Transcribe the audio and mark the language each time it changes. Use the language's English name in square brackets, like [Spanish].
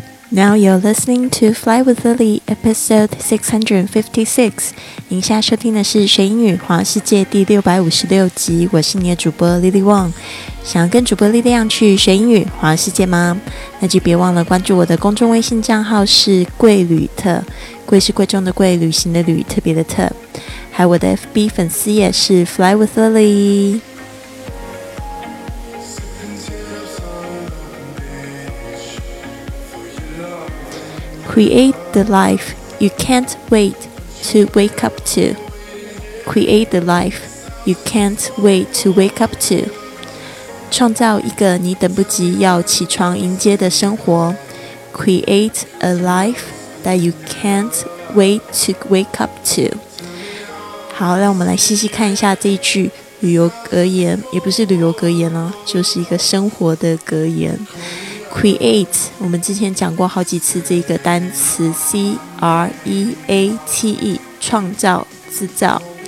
[English] Now you're listening to Fly with Lily, episode 656. [Chinese] 您现在收听的是学英语环游世界第656集。我是你的主播 Lily Wong。想要跟主播力量去学英语环游世界吗？那就别忘了关注我的公众微信账号是贵旅特，贵是贵重的贵，旅行的旅，特别的特。还有我的 FB 粉丝也是 Fly with Lily。 [English] Create the life you can't wait to wake up to. Create the life you can't wait to wake up to. [Chinese] 创造一个你等不及要起床迎接的生活。 [English] Create a life that you can't wait to wake up to. [Chinese] 好，让我们来细细看一下这一句旅游格言，也不是旅游格言啊，就是一个生活的格言。 Create， 我们之前讲过好几次这个单词 C-R-E-A-T-E， 创造、制造。